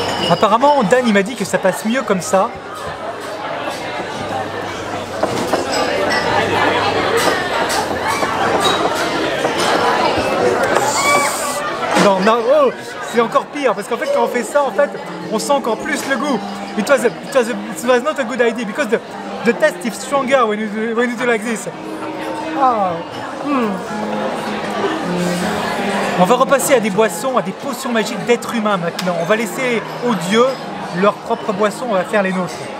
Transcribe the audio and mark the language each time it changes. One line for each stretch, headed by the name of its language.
French: Apparemment, Dan il m'a dit que ça passe mieux comme ça. Non, non, oh, c'est encore pire parce qu'en fait, quand on fait ça, en fait, on sent encore plus le goût.
English: It was not a good idea because the taste is stronger when you do like this. Oh.
French: On va repasser à des boissons, à des potions magiques d'êtres humains maintenant. On va laisser aux dieux leurs propres boissons, on va faire les nôtres.